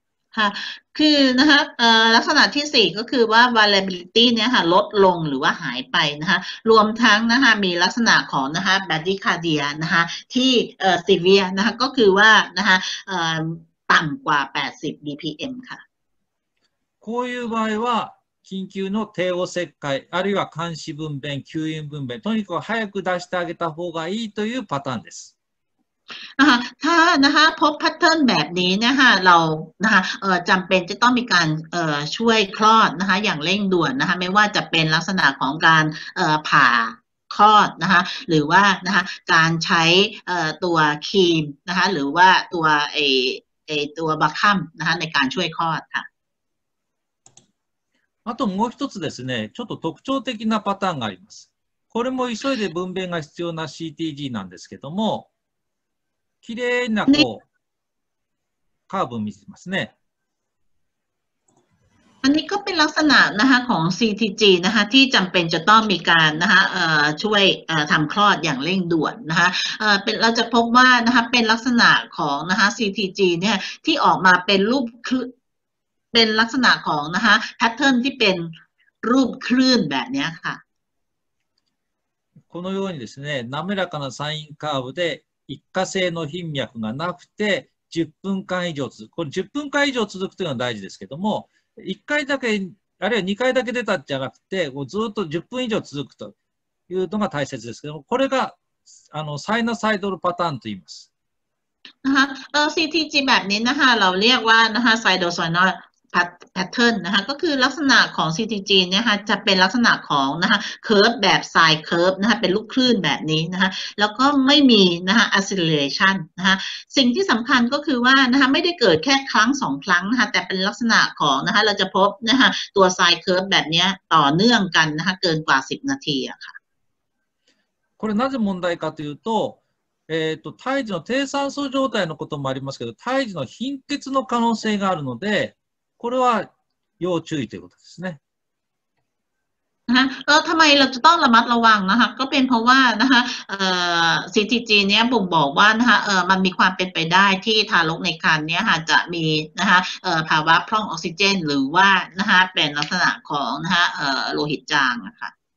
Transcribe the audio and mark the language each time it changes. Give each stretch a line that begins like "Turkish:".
Thai: ค่ะคือนะคะลักษณะที่4ก็คือว่า variability เนี่ยค่ะลดลงหรือว่าหายไปนะคะรวมทั้งนะคะมีลักษณะของนะคะ bradycardia นะคะที่severe นะคะก็คือว่านะคะต่ำกว่า80 bpm ค่ะ
Japanese: こういう場合は緊急の帝王切開あるいは監視分娩吸引分娩とにかく早く出してあげた方がいいというパターンです
Thai: ถ้านะคะพบแพทเทิร์นแบบนี้นะคะเรานะคะจำเป็นจะต้องมีการช่วยคลอดนะคะอย่างเร่งด่วนนะคะไม่ว่าจะเป็นลักษณะของการผ่าคลอดนะคะหรือว่านะคะการใช้ตัวครีมนะคะหรือว่าตัวตัวบาคัมนะคะในการช่วยคลอดค่ะ
Japanese: あともう一つですねちょっと特徴的なパターンがありますこれも急いで分娩が必要な CTG なんですけどもきれいなこうカーブを見せますね。
Thai: อันนี้ก็เป็นลักษณะนะคะของ CTG นะคะที่จำเป็นจะต้องมีการนะคะช่วยทำคลอดอย่างเร่งด่วนนะคะเป็นเราจะพบว่านะคะเป็นลักษณะของนะคะ CTG เนี่ยที่ออกมาเป็นรูปคลื่นเป็นลักษณะของนะคะแพทเทิร์นที่เป็นรูปคลื่นแบบนี้ค่ะ
Japanese: このようにですね滑らかなサインカーブで一過性の頻脈がなくて10分間以上続く、これ10分間以上続くというのは大事ですけども、1回だけあるいは2回だけ出たんじゃなくて、ずっと10分以上続くというのが大切ですけども、これがあのサイナサイドルパターンと言います。
Thai: CTG แบบนี้นะคะ、เราเรียกว่านะคะ、サイドルサイナルパターンนะคะ、ก็คือลักษณะของ CTG เนี่ยค่ะ、จะเป็นลักษณะของนะคะ、เคิร์ฟแบบสายเคิร์ฟนะคะ、เป็นลูกคลื่นแบบนี้นะคะ、แล้วก็ไม่มีนะคะ、acceleration นะคะ、สิ่งที่สำคัญก็คือว่านะคะ、ไม่ได้เกิดแค่ครั้งสองครั้งนะคะ、แต่เป็นลักษณะของนะคะ、เราจะพบนะคะ、ตัวสายเคิร์ฟแบบนี้ต่อเนื่องกันนะคะ、เกินกว่า10นาทีอะค่ะ。
Japanese: これなぜ問題かというと、胎児の低酸素状態のこともありますけど、胎児の貧血の可能性があるので、これは要注意ということですね。
Thai: ฮะทำไมเราจะต้องระมัดระวังนะคะก็เป็นเพราะว่านะคะCTG เนี้ยผมบอกว่านะคะมันมีความเป็นไปได้ที่ทารกในครรภ์เนี้ยค่ะจะมีนะคะภาวะพร่องออกซิเจนหรือว่านะคะเป็นลักษณะของนะคะโลหิตจางนะคะ